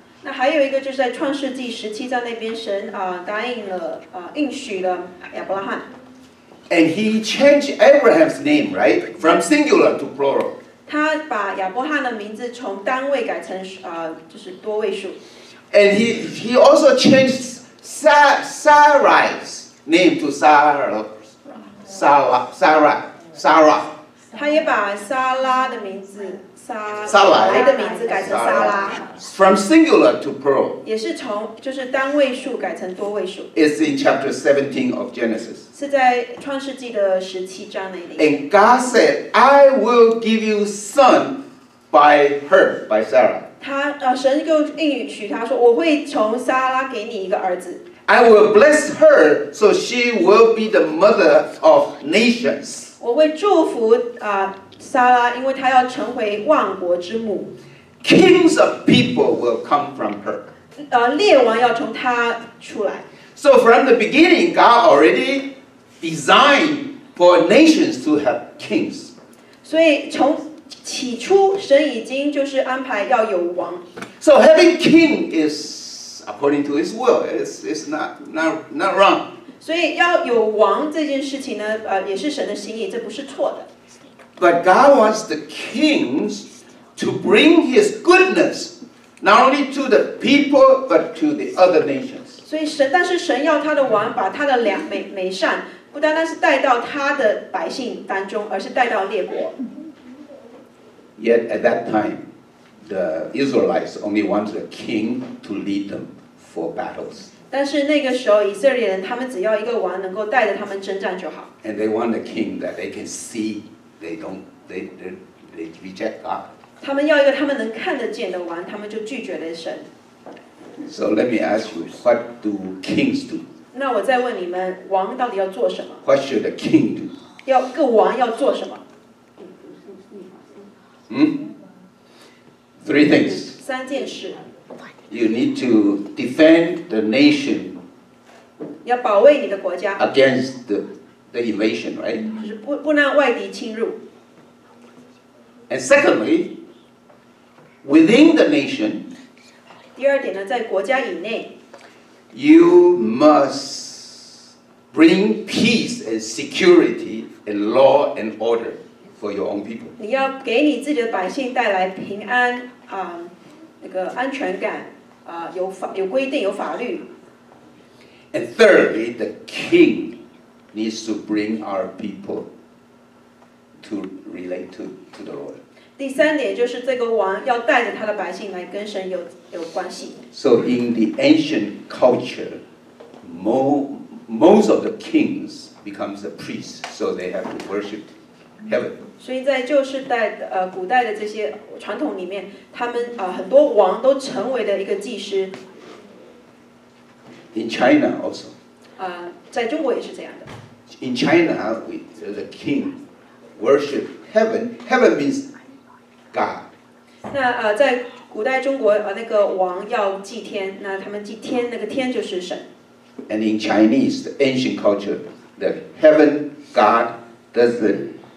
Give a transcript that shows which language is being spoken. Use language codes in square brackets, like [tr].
[zh] 那还有一个就是在创世纪十七章那边神答应了应许了亚伯拉罕。 [en] And he changed Abraham's name, right, from singular to plural. [zh] 他把亚伯拉罕的名字从单位改成就是多位数。 [en] And he also changed Sarai's name to Sarah. Sarah. [zh] 他也把莎拉的名字的名字改成莎拉。 [en] From singular to plural. [zh] 也是从就是单位数改成多位数。 [en] It's in chapter 17 of Genesis. [zh] 是在创世纪的十七章那里。 [en] And God said, I will give you son by her, by Sarah. [zh] 神就应许他说，我会从莎拉给你一个儿子。 [en] I will bless her, so she will be the mother of nations. [zh] 我会祝福撒拉，因为她要成为万国之母。 [en] Kings of people will come from her. [zh] 列王要从她出来。 [en] So from the beginning, God already designed for nations to have kings. [zh] 所以从起初，神已经就是安排要有王。 [en] So having king is according to His will. It's not wrong. [zh] 所以要有王这件事情呢，也是神的心意，这不是错的。 [en] But God wants the kings to bring His goodness not only to the people but to the other nations. [zh] 所以神，但是神要他的王把他的良美善，不单单是带到他的百姓当中，而是带到列国。 [en] Yet at that time, the Israelites only wanted a king to lead them for battles. [zh] 但是那个时候，以色列人他们只要一个王能够带着他们征战就好。 [en] And they want a king that they can see. They reject God. [zh] 他们要一个他们能看得见的王，他们就拒绝了神。 [en] So let me ask you, what do kings do? [zh] 那我再问你们，王到底要做什么？ [en] What should a king do? [zh] 要个王要做什么？ [en] Three things. [zh] 三件事。 [en] You need to defend the nation. [zh] 要保卫你的国家。 [en] Against the invasion, right? [zh] 就是不让外敌侵入。 [en] And secondly, within the nation. [zh] 第二点呢，在国家以内。 [en] You must bring peace and security and law and order. For your own people. [zh] 你要给你自己的百姓带来平安，那个安全感，有规定，有法律。 [en] And thirdly, the king needs to bring our people to relate to the Lord. [zh] 第三点就是这个王要带着他的百姓来跟神有关系。 [en] So in the ancient culture, most of the kings become a priest, so they have to worship heaven. [zh] 所以在旧世代古代的这些传统里面，他们很多王都成为了一个祭师。 [en] In China also. [zh] 在中国也是这样的。 [en] In China, the king worship heaven. Heaven means God. [zh] 那在古代中国那个王要祭天，那他们祭天，那个天就是神。 [en] And in Chinese, the ancient culture, the heaven God doesn't.